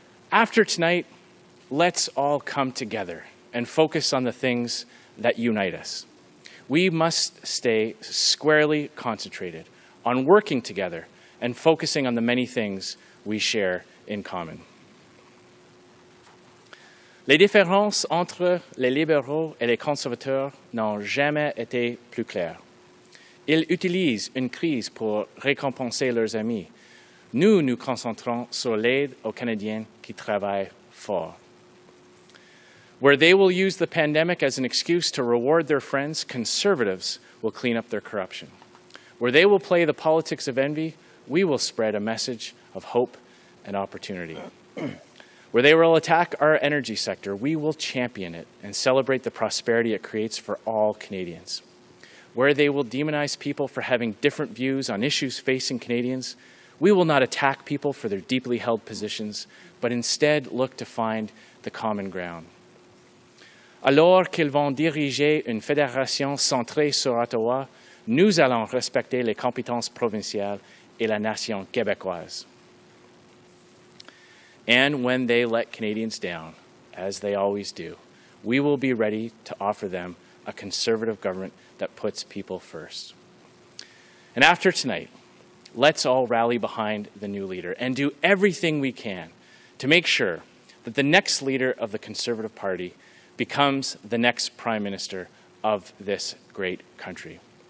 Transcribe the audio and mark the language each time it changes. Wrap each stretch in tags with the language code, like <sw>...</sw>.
<en>After tonight, let's all come together and focus on the things that unite us. We must stay squarely concentrated on working together and focusing on the many things we share in common.</en> <fr>Les différences entre les libéraux et les conservateurs n'ont jamais été plus claires. Ils utilisent une crise pour récompenser leurs amis. Nous nous concentrons sur l'aide aux Canadiens qui travaillent fort.</fr> <en>Where they will use the pandemic as an excuse to reward their friends, conservatives will clean up their corruption. Where they will play the politics of envy, we will spread a message of hope and opportunity. Where they will attack our energy sector, we will champion it and celebrate the prosperity it creates for all Canadians. Where they will demonize people for having different views on issues facing Canadians, we will not attack people for their deeply held positions, but instead look to find the common ground.</en> <fr>Alors qu'ils vont diriger une fédération centrée sur Ottawa, nous allons respecter les compétences provinciales et la nation québécoise.</fr> <en>And when they let Canadians down, as they always do, we will be ready to offer them a conservative government that puts people first. And after tonight, let's all rally behind the new leader and do everything we can to make sure that the next leader of the Conservative Party becomes the next Prime Minister of this great country.</en>